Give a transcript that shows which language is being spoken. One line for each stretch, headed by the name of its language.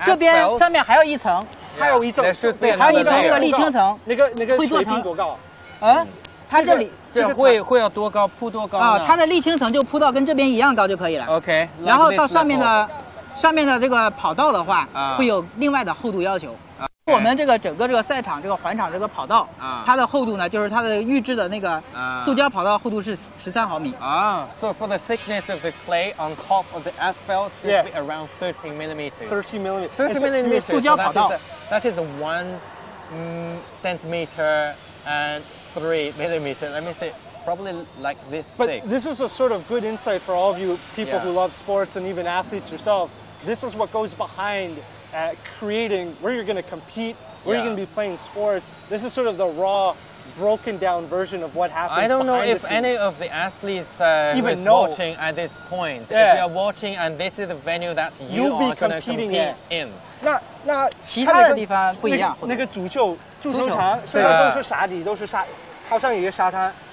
Chinese: 这边上面还要一层，还有一层，对，还有一层这个沥青层。那个水平多高？它这里会要多高？铺多高？它的沥青层就铺到跟这边一样高就可以了。OK. 然后到上面的这个跑道的话，会有另外的厚度要求。我们这个整个这个赛场这个环场这个跑道，它的厚度呢，就是它的预制的那个塑胶跑道厚度是13毫米。
English: So for the thickness of the clay on top of the asphalt should be around 13 millimeters. 13 millimeters. 13 millimeters.
Chinese: 塑胶跑道。
English: That is one centimeter and 3 millimeters. Let me see. Probably like this but thick. This is a sort of good insight for all of you people who love sports and even athletes yourselves. This is what goes behind creating where you're going to compete, where you're going to be playing sports. This is sort of the raw, broken down version of what happens. I don't know if any of the athletes even know. Watching at this point. Yeah. If you're watching and this is the venue that you'll are be competing gonna compete in.
Chinese: 那其他的地方不一样，那个足球场，所以他都是沙地，都是沙，好像一个沙滩。